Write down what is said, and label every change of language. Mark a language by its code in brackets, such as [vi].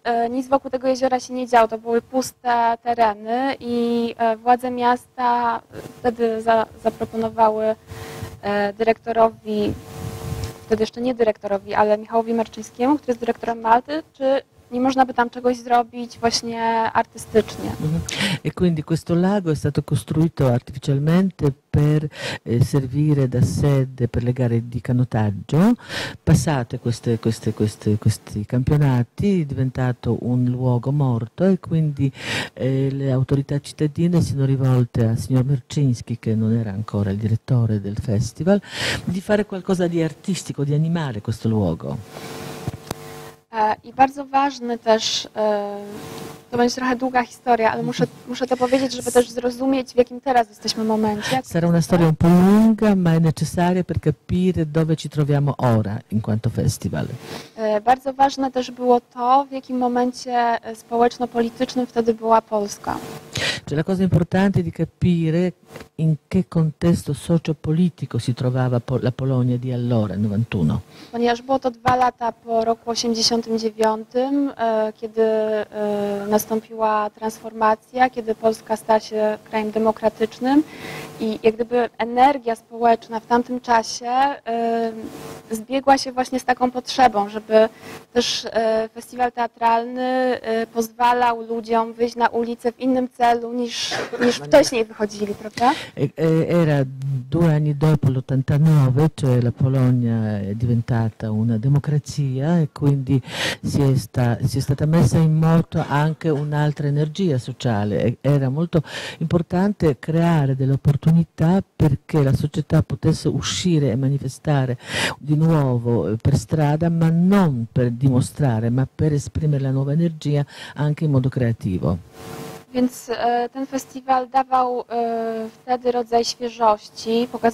[pl] Nic wokół tego jeziora się nie działo, to były puste tereny i władze miasta wtedy zaproponowały dyrektorowi, wtedy jeszcze nie dyrektorowi, ale Michałowi Marczyńskiemu, który jest dyrektorem Malty, czy nie można by tam czegoś zrobić właśnie artystycznie. [it] E quindi questo lago è stato costruito artificialmente per servire da sede per le gare di canottaggio. Passate questi campionati è diventato un luogo morto e quindi le autorità cittadine si sono rivolte al signor Marczyński, che non era ancora il direttore del festival, di fare qualcosa di artistico, di animare questo luogo. [pl] I bardzo ważny też, to będzie trochę długa historia, ale muszę to powiedzieć, żeby też zrozumieć, w jakim teraz jesteśmy momencie. [it] Sarà una storia un po' lunga, ma è necessaria per capire dove ci troviamo ora in quanto festival. [pl] Bardzo ważne też było to, w jakim momencie społeczno-politycznym wtedy była Polska. [it] Cioè, la cosa importante è di capire in che contesto sociopolitico si trovava la Polonia di allora, nel 91. [pl] Ponieważ było to dwa lata po roku 89, kiedy nastąpiła transformacja, kiedy Polska stała się krajem demokratycznym i jak gdyby energia społeczna w tamtym czasie zbiegła się właśnie z taką potrzebą, żeby też festiwal teatralny pozwalał ludziom wyjść na ulicę w innym celu niż wcześniej wychodzili, prawda? [it] Era due anni dopo l'89, cioè la Polonia è diventata una democrazia e quindi si è stata messa in moto anche un'altra energia sociale. Era molto importante creare delle opportunità perché la società potesse uscire e manifestare di nuovo per strada, ma non per dimostrare, ma per esprimere la nuova energia anche in modo creativo. [pl] Więc ten festiwal dawał wtedy rodzaj świeżości.